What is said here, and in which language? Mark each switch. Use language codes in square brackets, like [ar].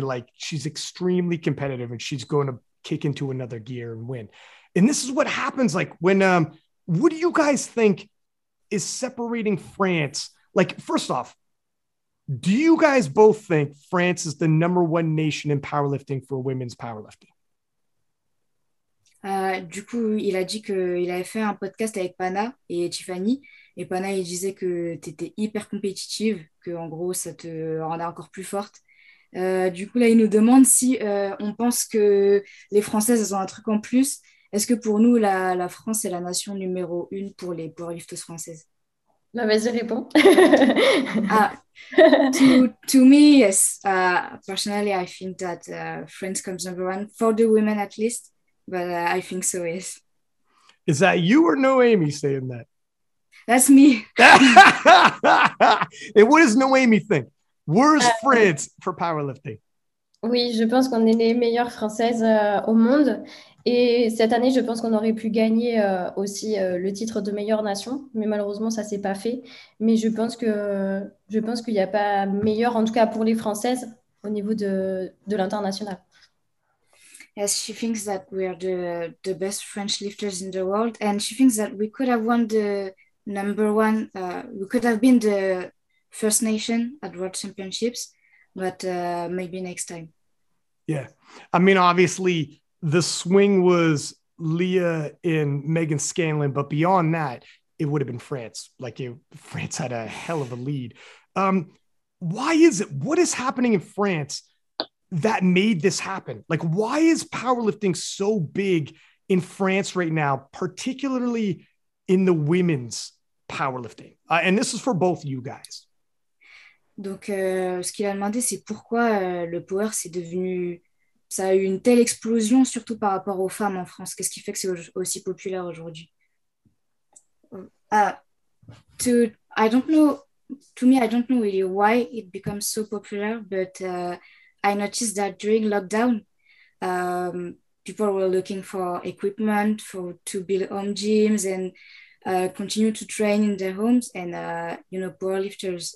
[en] Like, she's extremely competitive and she's going to kick into another gear and win. And this is what happens. Like, when, what do you guys think is separating France? Like, first off, do you guys both think France is the number one nation in powerlifting for women's powerlifting? [fr] Du coup, il a dit qu'il avait fait un podcast avec Pana et Tiffany. Et Pana, il disait que tu étais hyper compétitive, qu'en gros, ça te rendait encore plus forte. Du coup, là, il nous demande si on pense que les Françaises, elles ont un truc en plus. Est-ce que pour nous, la France est la nation numéro une pour les powerlifters françaises? Bah, vas-y, réponds. Je [en] Ah, to me, yes. Personally, I think that France comes number one, for the women at least. But I think so, yes. Is that you or Noemi saying That's me. that? And what does Noemi think? Where's France for powerlifting? [fr] Oui, je pense qu'on est les meilleures Françaises au monde. Et cette année, je pense qu'on aurait pu gagner aussi le titre de meilleure nation. Mais malheureusement, ça ne s'est pas fait. Mais je pense qu'il n'y a pas meilleur, en tout cas pour les Françaises, au niveau de l'international. [en] Yes, she thinks that we are the best French lifters in the world, and she thinks that we could have won the number one. We could have been the first nation at World Championships, but maybe next time. Yeah. I mean, obviously, the swing was Leah and Megan Scanlon, but beyond that, it would have been France. Like, France had a hell of a lead. Why is it? What is happening in France that made this happen? Like, why is powerlifting so big in France right now, particularly in the women's powerlifting? And this is for both you guys. [fr] Donc, ce qu'il a demandé, c'est pourquoi le power, c'est devenu, ça a eu une telle explosion, surtout par rapport aux femmes en France. Qu'est-ce qui fait que c'est aussi populaire aujourd'hui? [en] I don't know, to me, I don't know really why it becomes so popular, but I noticed that during lockdown, people were looking for equipment for to build home gyms and continue to train in their homes, and power lifters.